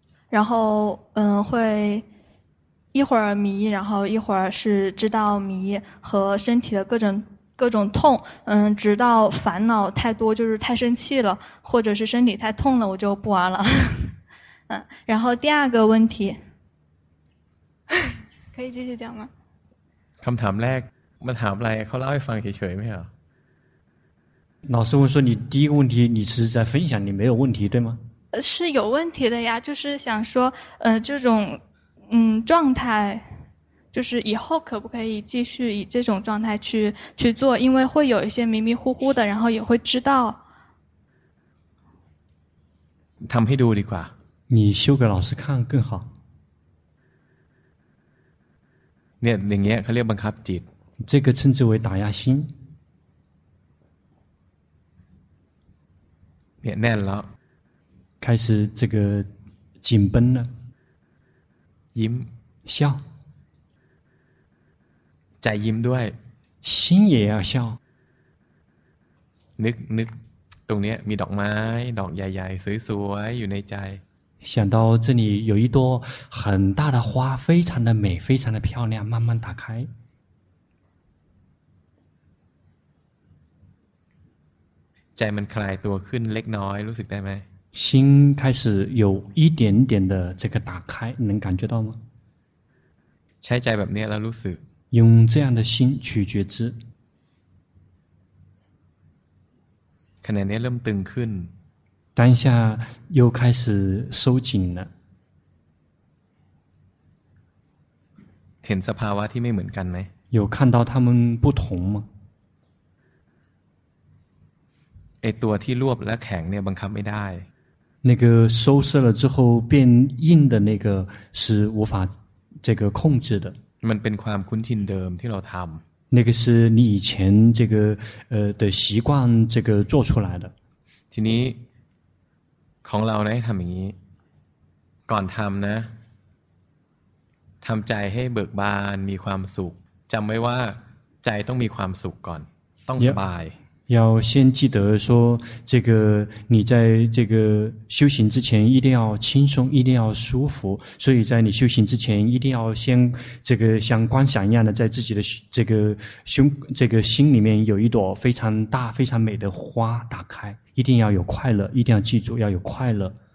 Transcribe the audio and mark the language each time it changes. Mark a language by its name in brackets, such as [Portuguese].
[Chinese] 然后会一会儿迷然后一会儿是知道迷和身体的各种痛直到烦恼太多就是太生气了或者是身体太痛了我就不玩了然后第二个问题可以继续讲吗 [Thai] คำถามแรกมันถามอะไรเขาเล่าให้ฟังเฉยๆไหมอ่ะ [Chinese] 老师问说你第一个问题你是在分享你没有问题对吗是有问题的呀就是想说这种状态就是以后可不可以继续以这种状态去做，因为会有一些迷迷糊糊的，然后也会知道。 [Thai] ทำให้ดูดีกว่า [Chinese] 你修给老师看更好。 [Thai] เนี่ยอย่างเงี้ยเขาเรียกบังคับจิต [Chinese] 这个称之为打压心。 [Thai] เนี่ยแน่นแล้ว [Chinese] 开始这个紧绷了。 [Thai] ยิ้ม [Chinese] 笑。 [Thai] ใจยิ้มด้วย [Chinese] 心也要笑。 [Thai] นึกตรงนี้มีดอกไม้ดอกใหญ่ๆสวยๆอยู่ในใจ [Chinese] 想到这里有一朵很大的花非常的美非常的漂亮慢慢打开 [Thai] ใจมันคลายตัวขึ้นเล็กน้อยรู้สึกได้ไหม [Chinese] 心开始有一点点的这个打开能感觉到吗 [Thai] ใช้ใจแบบนี้แล้วรู้สึก [Chinese] 用这样的心去觉知 [Thai] คะแนนนี้เริ่มตึงขึ้น [Chinese] 当下又开始收紧了 [Thai] เห็นสภาวะที่ไม่เหมือนกันไหม [Chinese] 有看到他们不同吗 [Thai] ไอ้ตัวที่รวบและแข็งเนี่ยบังคับไม่ได้ [Chinese] 那个收摄了之后变硬的那个是无法这个控制的 [Thai] มันเป็นความคุ้นชินเดิมที่เราทำ [Chinese] 那个是你以前这个的习惯这个做出来的 [Thai] ทีนี้ของเราเนี่ยทำอย่างนี้ก่อนทำนะทำใจให้เบิกบานมีความสุขจำไว้ว่าใจต้องมีความสุขก่อนต้องสบาย [Chinese] 要先记得说这个你在这个修行之前一定要轻松一定要舒服所以在你修行之前一定要先这个像观想一样的在自己的这个胸这个心里面有一朵非常大非常美的花打开一定要有快乐一定要记住要有快乐